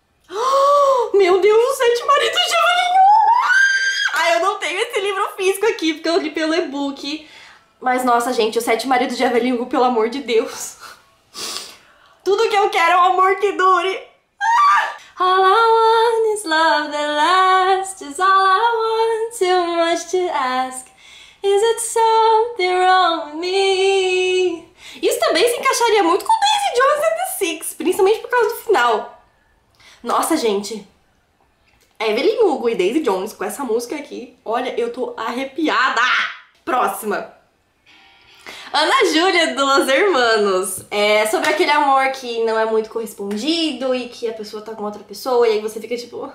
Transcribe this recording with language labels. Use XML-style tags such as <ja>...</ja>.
<pt>Oh, meu Deus, o Sete Maridos de Avelino! Ai, eu não tenho esse livro físico aqui, porque eu li pelo e-book. Mas, nossa, gente, o Sete Maridos de Avelino, pelo amor de Deus... Tudo que eu quero é um amor que dure. Ah!</pt> <en>All I want is love that lasts. Is all I want too much to ask. Is it something wrong with me?</en> <pt>Isso também se encaixaria muito com Daisy Jones and the Six. Principalmente por causa do final. Nossa, gente. Evelyn Hugo e Daisy Jones com essa música aqui. Olha, eu tô arrepiada. Próxima. Ana Júlia, do Los Hermanos. É sobre aquele amor que não é muito correspondido e que a pessoa tá com outra pessoa e aí você fica tipo...</pt>